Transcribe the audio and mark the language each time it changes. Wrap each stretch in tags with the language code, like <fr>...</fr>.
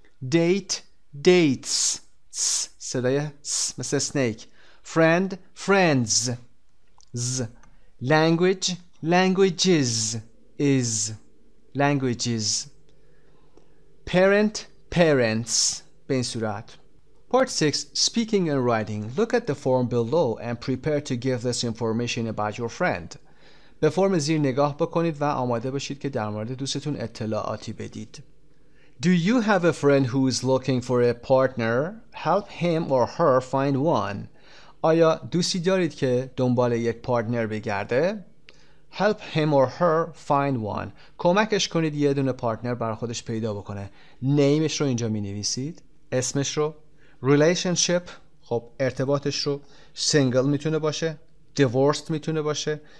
<en>Date dates s،</en> <fa>صدای s مثل</fa> <en>snake. Friend friends z. Language languages is. Languages. Parent parents</en> <fa>به این صورت.</fa> <en>Part 6, speaking and writing. Look at the form below and prepare to give this information about your friend.</en> <fa>به فرم زیر نگاه بکنید و آماده باشید که در مورد دوستتون اطلاعاتی بدید.</fa> <en>Do you have a friend who is looking for a partner? Help him or her find one.</en> <fa>آیا دوستی دارید که دنبال یک پارتنر بگرده؟</fa> <en>Help him or her find one.</en> <fa>کمکش کنید یه دونه پارتنر برای خودش پیدا بکنه. نیمش رو اینجا می نویسید. اسمش رو. Relationship. خب ارتباطش رو. Single می تونه باشه. Divorced می تونه باشه.</fa>